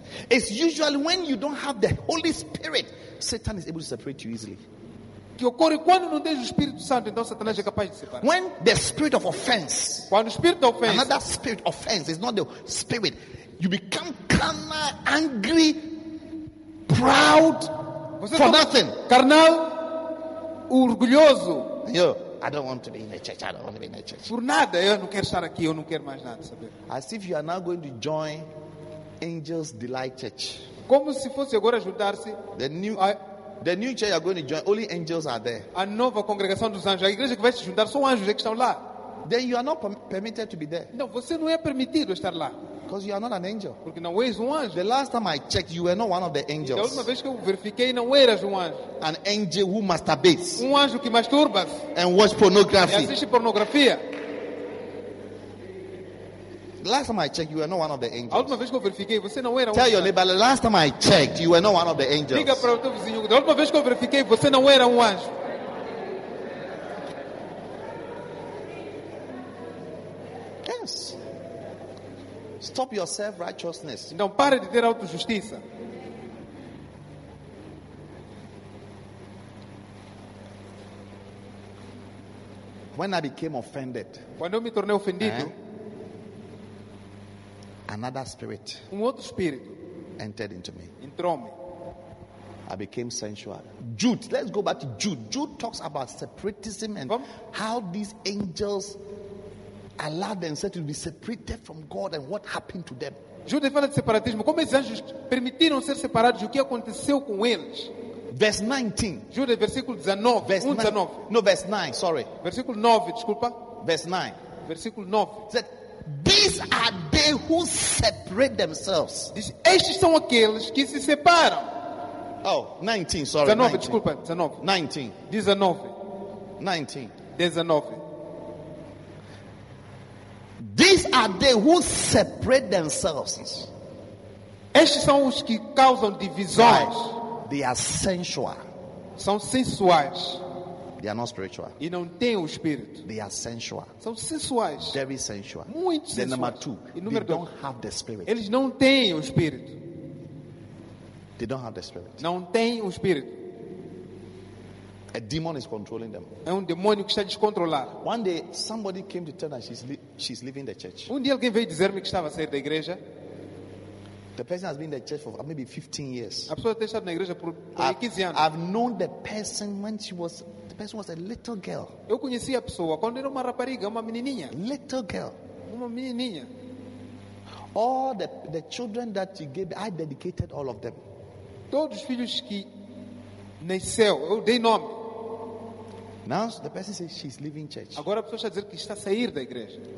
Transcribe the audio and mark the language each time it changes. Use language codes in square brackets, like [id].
[en] It's usually when you don't have the Holy Spirit, Satan is able to separate you easily. [pt] Que ocorre quando não tens o Espírito Santo, então Satanás é capaz de separar. [en] When the spirit of offense, [pt] quando o espírito de ofensa, [en] another spirit offense, it's not the spirit. You become carnal, angry, proud, for nothing. [pt] Carnal, orgulhoso. [en] I don't want to be in a church. I don't want to be in a church. [pt] Por nada, eu não quero estar aqui. Eu não quero mais nada saber. [en] As if you are now going to join Angels Delight Church. [pt] Como se fosse agora juntar-se. [en] The new church you are going to join. Only angels are there. [pt] A nova congregação dos anjos. A igreja que vai se juntar, só anjos é que estão lá. [en] Then you are not permitted to be there. [pt] Não, você não é permitido estar lá. [en] Because you are not an angel. [pt] Porque não és anjo. [en] The last time I checked, you were not one of the angels. [pt] A última vez que eu verifiquei, não eras anjo. [en] An angel who masturbates. [pt] Anjo que masturba. [en] And watch pornography. [pt] E assiste pornografia. [en] Last time I checked, you were not one of the angels. [pt] A última vez que eu verifiquei, você não era. [en] Tell your neighbor, the last time I checked, you were not one of the angels. [pt] Diga para o teu vizinho, da última vez que eu verifiquei, você não era anjo. [en] Stop your self-righteousness. [pt] Então pare de ter autojustiça. [en] When I became offended, [pt] quando eu me tornei ofendido, [en] another spirit, [pt] outro espírito, [en] entered into me. [pt] Entrou-me. [en] I became sensual. Jude, let's go back to Jude. Jude talks about separatism and how these angels allow themselves to be separated from God and what happened to them. [pt] Jude fala de separatismo. Como esses anjos permitiram ser separados? O que aconteceu com eles? [en] Verse 19. [pt] Jude, versículo 19. [en] Verse 9, sorry. [pt] Versículo 9, desculpa. [en] Verse 9. [pt] Versículo 9. [en] Said, these are they who separate themselves. [pt] Diz, estes são aqueles que se separam. [en] Oh, 19, sorry. 19, [pt] Desculpa, 19. 19. 19. 19. 19. [en] These are they who separate themselves. [pt] Estes são os que causam divisões. [en] They are sensual. [pt] São sensuais. [en] They are not spiritual. [pt] E não têm o espírito. [en] They are sensual. [pt] São sensuais. [en] Very sensual. [pt] Muito sensual. [en] Then number two. [pt] E número [en] they [pt] dois, [en] don't have the spirit. [pt] Eles não têm o espírito. [en] They don't have the spirit. [pt] Não têm o espírito. [en] A demon is controlling them. [pt] É demônio que está descontrolado. [en] One day somebody came to tell her she's leaving the church. [pt] Dia alguém veio dizer-me que estava a sair da igreja. [en] The person has been in the church for maybe 15 years. [pt] A pessoa tem estado na igreja por 15 anos. [en] I've known the person when the person was a little girl. [pt] Eu conheci a pessoa quando era uma rapariga, uma menininha. [en] Little girl. [pt] Uma menininha. [en] All the children that you gave, I dedicated all of them. [pt] Todos os filhos que nasceu, eu dei nome. [en] Now the person says she's leaving church. [pt] Agora a pessoa está a dizer que está a sair da igreja.